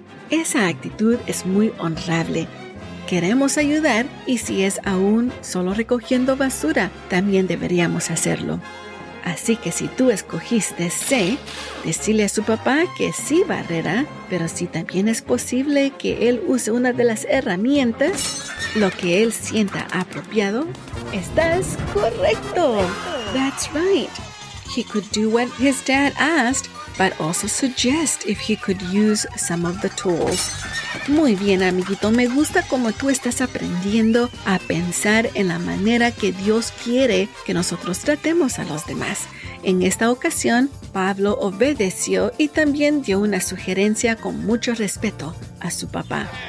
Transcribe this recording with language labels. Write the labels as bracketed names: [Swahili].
[Spanish] Esa actitud es muy honrable. Queremos ayudar y si es aún solo recogiendo basura, también deberíamos hacerlo. Así que si tú escogiste C, decirle a su papá que sí barrerá, pero si también es posible que él use una de las herramientas, lo que él sienta apropiado, ¡estás correcto! [English] That's right. He could do what his dad asked, but also suggest if he could use some of the tools. [Spanish] Muy bien, amiguito. Me gusta cómo tú estás aprendiendo a pensar en la manera que Dios quiere que nosotros tratemos a los demás. En esta ocasión, Pablo obedeció y también dio una sugerencia con mucho respeto a su papá.